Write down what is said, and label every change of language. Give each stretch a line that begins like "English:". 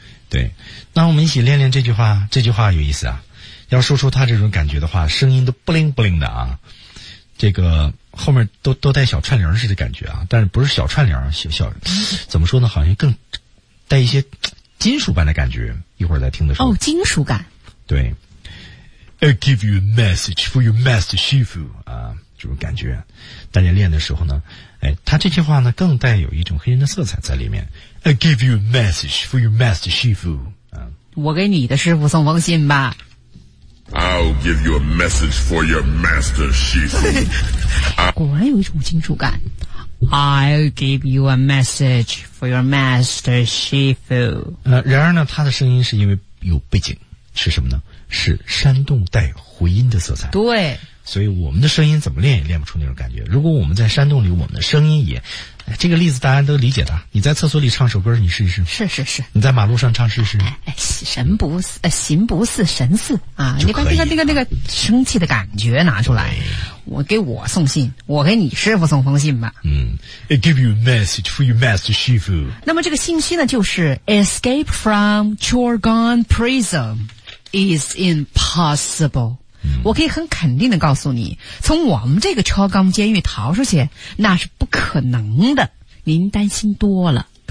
Chinese: 对，那我们一起练练这句话，这句话有意思啊。要说出他这种感觉的话，声音都不灵不灵的啊，这个后面都带小串铃似的感觉啊，但是不是小串铃，小怎么说呢，好像更带一些金属般的感觉，一会儿再听的时候。哦，金属感。对。
English: I give you a message for your master Shifu, 啊，这种感觉。
Chinese: 大家练的时候呢，哎，他这句话呢更带有一种黑人的色彩在里面。
English: I give you a message for your master Shifu, 啊。
Chinese: 我给你的师傅送封信吧。
English: I'll give you a message for your master, Shifu.
Chinese: 果然有一种金属感。
English: I'll give you a message for your master, Shifu.
Chinese: 然而呢，他的声音是因为有背景，是什么呢？是山洞带回音的色彩。对。所以我们的声音怎么练也练不出那种感觉。如果我们在山洞里，我们的声音也，这个例子大家都理解的。你在厕所里唱首歌，你试一试。是是是。你在马路上唱试试。神不似，形不似神似啊！你把那个生气的感觉拿出来。我给我送信，我给你师父送封信吧。
English: 嗯 ，I give you a message for your master Shifu。
Chinese: 那么这个信息呢，就是
English: Escape from Chorgon Prison is impossible。
Chinese: 我可以很肯定的告诉你，从我们这个车钢监狱逃出去那是不可能的，您担心多了。